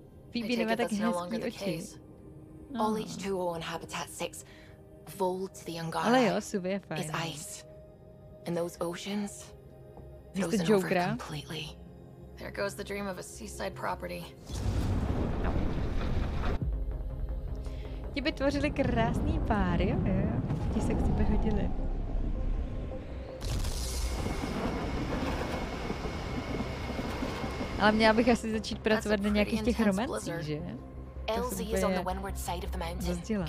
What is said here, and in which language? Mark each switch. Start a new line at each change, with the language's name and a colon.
English: Phoebe, I take it that's no longer the case. Oh. All H2O in Habitat 6, Vold to the Angara, is ice. And those oceans, frozen over completely. There goes the dream of a seaside property.
Czech: Ti by tvořili krásný pár, jo? Ti se k tebe hodili. Ale měla bych asi začít pracovat na nějakých těch romancích, že?
English: LZ is on the windward side of the mountain.